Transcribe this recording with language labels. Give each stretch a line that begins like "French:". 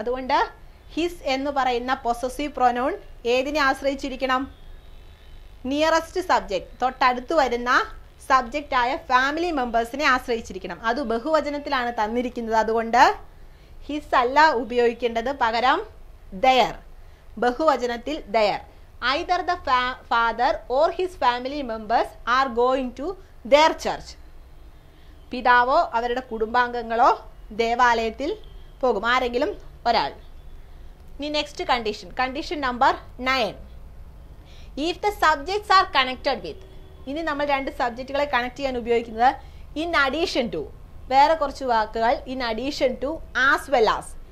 Malayalam: അതുകൊണ്ട് ഹിസ് എന്ന് പറയുന്ന പൊസസീവ് പ്രൊനൗൺ ഏതിനെ ആശ്രയിച്ചിരിക്കണം? നിയറസ്റ്റ് സബ്ജക്റ്റ്, തൊട്ടടുത്ത് വരുന്ന സബ്ജക്റ്റായ ഫാമിലി മെമ്പേഴ്സിനെ ആശ്രയിച്ചിരിക്കണം. അത് ബഹുവചനത്തിലാണ് തന്നിരിക്കുന്നത്, അതുകൊണ്ട് ഹിസ് അല്ല ഉപയോഗിക്കേണ്ടത്, പകരം there, ബഹുവചനത്തിൽ there.
English: Either the father or his family members are going to their church.
Malayalam: പിതാവോ അവരുടെ കുടുംബാംഗങ്ങളോ ദേവാലയത്തിൽ പോകും, ആരെങ്കിലും ഒരാൾ. ഇനി next condition, condition number 9.
English: If the subjects are connected with.
Malayalam: ഇനി നമ്മൾ രണ്ട് സബ്ജക്റ്റുകളെ കണക്ട് ചെയ്യാൻ ഉപയോഗിക്കുന്നത് ഇൻ അഡീഷൻ ടു, വേറെ കുറച്ച് വാക്കുകൾ in addition to, as well as.